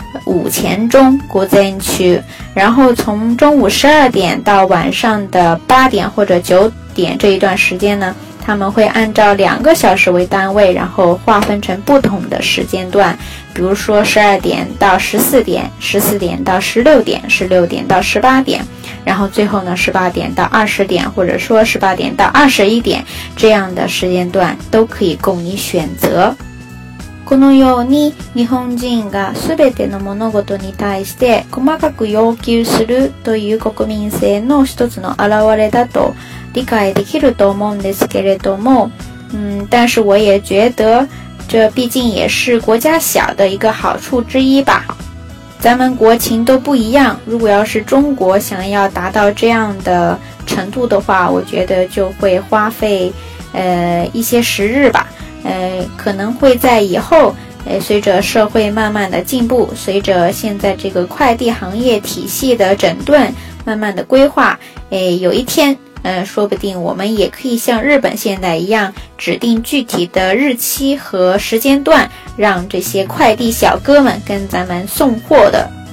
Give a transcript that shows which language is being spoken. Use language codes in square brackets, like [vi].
[zh] 午前中午前区，然后从中午12点到晚上的8点或者9点这一段时间呢，他们会按照2个小时为单位，然后划分成不同的时间段，比如说12点到14点、14点到16点、16点到18点，然后最后呢18点到20点，或者说18点到21点，这样的时间段都可以供你选择。 [ja] このように日本人が全ての物事に対して細かく要求するという国民性の一つの表れだと理解できると思うんですけれども、 [zh] 但是我也觉得这毕竟也是国家小的一个好处之一吧。咱们国情都不一样，如果要是中国想要达到这样的程度的话，我觉得就会花费一些时日吧。可能会在以后，随着社会慢慢的进步，随着现在这个快递行业体系的整顿慢慢的规划，有一天，说不定我们也可以像日本现在一样指定具体的日期和时间段，让这些快递小哥们跟咱们送货的。